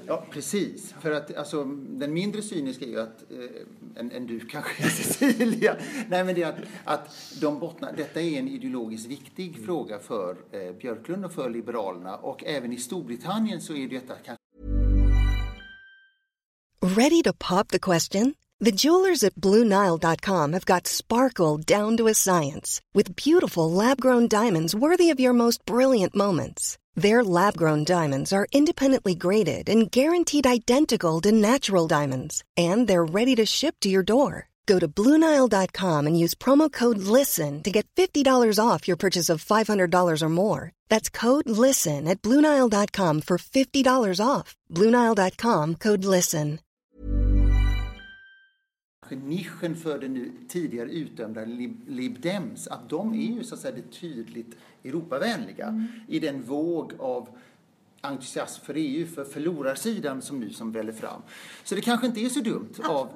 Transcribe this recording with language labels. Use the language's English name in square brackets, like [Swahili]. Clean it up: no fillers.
[Swedish] Ja, precis. För att alltså, den mindre cyniska är ju att, än du kanske, Cecilia. Nej, men det är att de bottnar. Detta är en ideologiskt viktig fråga för Björklund och för liberalerna. Och även i Storbritannien så är detta kanske... [English] Ready to pop the question? The jewelers at BlueNile.com have got sparkle down to a science with beautiful lab-grown diamonds worthy of your most brilliant moments. Their lab-grown diamonds are independently graded and guaranteed identical to natural diamonds, and they're ready to ship to your door. Go to BlueNile.com and use promo code LISTEN to get $50 off your purchase of $500 or more. That's code LISTEN at BlueNile.com for $50 off. BlueNile.com, code LISTEN. [Swedish] Nischen för den nu tidigare utdömda Lib Dems, att de är ju så att säga det tydligt Europavänliga i den våg av entusiasm för EU, för förlorarsidan som nu som väljer fram. Så det kanske inte är så dumt av